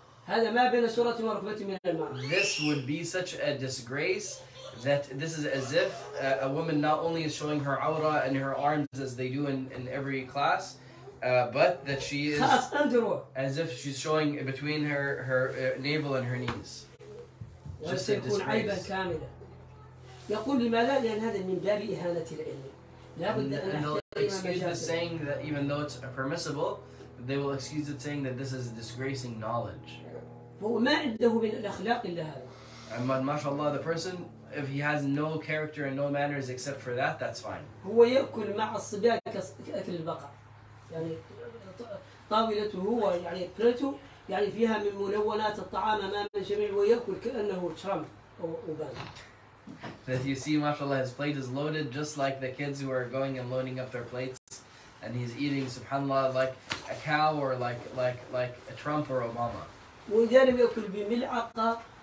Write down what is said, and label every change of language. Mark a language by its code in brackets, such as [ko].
[en] This would be such a disgrace that this is as if a woman not only is showing her awrah and her arms as they do in every class, but that she is as if she's showing between her navel and her knees. Just a disgrace. [ar] يقول لماذا؟ لأن هذا من باب إهانة العلم. لا بد أن [en] excuse the saying that even though it's permissible, they will excuse it saying that this is disgracing knowledge. [ar] هو ما عنده من الأخلاق إلا هذا. [en] And [ar] ما شاء الله, [en] the person, if he has no character and no manners except for that, that's fine. [ar] هو يأكل مع الصبيان كأكل البقر. يعني طاولته هو يعني بلته يعني فيها من ملونات الطعام أمام الجميع ويأكل كأنه ترامب أو أوباما. [en] That you see, mashallah, his plate is loaded just like the kids who are going and loading up their plates, and he's eating, subhanAllah, like a cow or like a Trump or Obama.